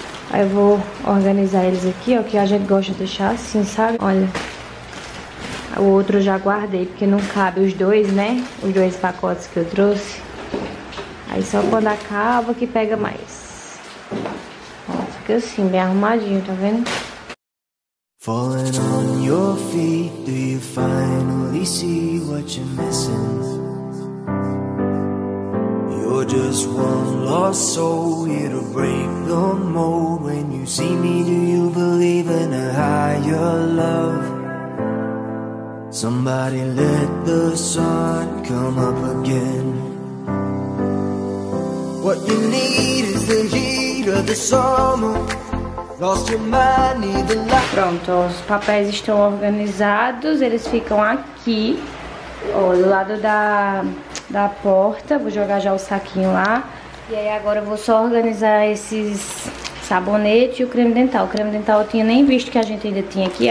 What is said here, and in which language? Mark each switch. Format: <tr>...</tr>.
<pt>Aí eu vou organizar eles aqui, ó, que a gente gosta de deixar assim, sabe? Olha, o outro eu já guardei, porque não cabe os dois, né? Os dois pacotes que eu trouxe. Aí só quando acaba que pega mais. Ó, fica assim, bem arrumadinho, tá vendo?</pt> <en>Falling on your feet, do you finally see what you're missing? You're just one lost soul, it'll break the mold. When you see me, do you believe in a higher love? Somebody let the sun come up again. What you need is the heat of the summer. Lost your mind, need the light.</en> <pt>Pronto, os papéis estão organizados. Eles ficam aqui, ó, do lado da porta. Vou jogar já o saquinho lá. E aí agora eu vou só organizar esses sabonete e o creme dental. O creme dental eu tinha nem visto que a gente ainda tinha aqui.</pt>